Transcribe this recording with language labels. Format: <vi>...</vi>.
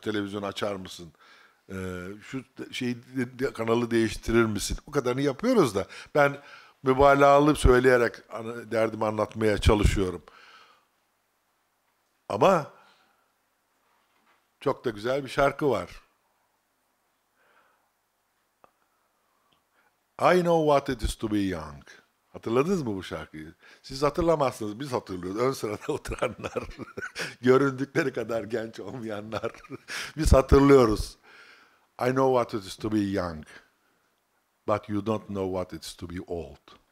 <tr>Televizyonu açar mısın? Şu şeyi, kanalı değiştirir misin? Bu kadarını yapıyoruz da. Ben mübalağalı söyleyerek derdimi anlatmaya çalışıyorum. Ama çok da güzel bir şarkı var.</tr> <en>I know what it is to be young.</en> <tr>Hatırladınız mı bu şarkıyı? Siz hatırlamazsınız, biz hatırlıyoruz. Ön sırada oturanlar, göründükleri kadar genç olmayanlar. Biz hatırlıyoruz.</tr> <en>I know what it is to be young, but you don't know what it is to be old.</en>